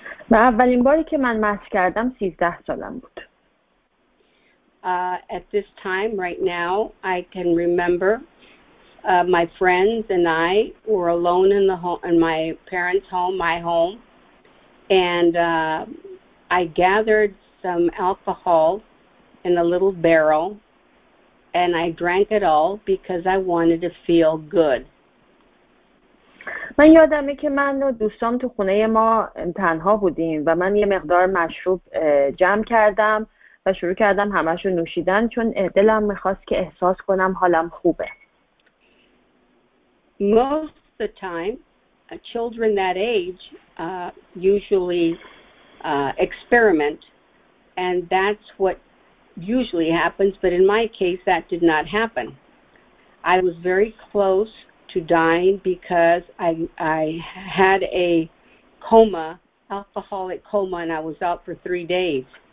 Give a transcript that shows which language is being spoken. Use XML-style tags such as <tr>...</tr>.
<fa>و اولین باری که من مست کردم 13 سالم بود.</fa> <en>At this time, right now, I can remember my friends and I were alone in the home, in my parents' home, my home, and I gathered some alcohol in a little barrel, and I drank it all because I wanted to feel good.</en> <fa>من یادمه که من و دوستام تو خونه ما تنها بودیم و من یه مقدار مشروب جمع کردم و شروع کردم همش رو نوشیدن چون دلم میخواست که احساس کنم حالم خوبه.</fa> <en>Most of the time, children that age usually experiment, and that's what usually happens, but in my case, that did not happen. I was very close to dying because I had a coma, alcoholic coma, and I was out for 3 days.</en>